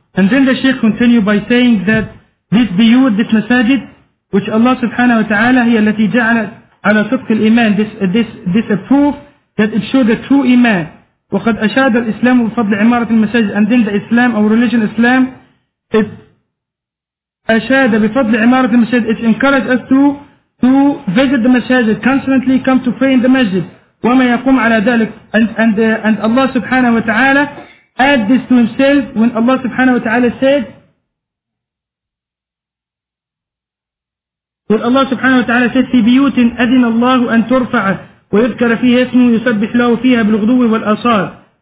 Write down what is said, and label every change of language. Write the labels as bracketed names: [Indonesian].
[English] And then the Sheikh continued by saying that this biyud, this masajid, which Allah subhanahu wa ta'ala, [Arabic] هي التي جعلت على صدق الإيمان, [English] this a proof that it showed the true iman. [Arabic] وقد أشاد الإسلام بفضل عمارة المساجد. [English] And then the Islam or religion Islam, it [Arabic] أشاد بفضل عمارة المساجد. [English] It encouraged us to visit the masajid, constantly come to pray in the masjid. [Arabic] وما يقوم على ذلك. [English] And Allah subhanahu wa ta'ala add this to himself when Allah subhanahu wa ta'ala said, when Allah subhanahu wa ta'ala said, [Arabic] في بيوت أذن الله أن ترفع ويذكر فيها اسمه يسبح له فيها بالغدو والأصال.